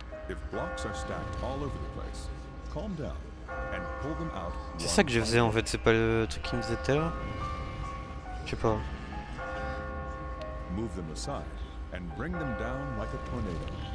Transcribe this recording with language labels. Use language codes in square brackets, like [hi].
[en] If blocks are stacked all over the place, calm down and pull them out. [fr] C'est ça que je faisais en fait, c'est pas le truc qui me faisait peur. Je sais pas. [en] Move them aside and bring them down like a tornado.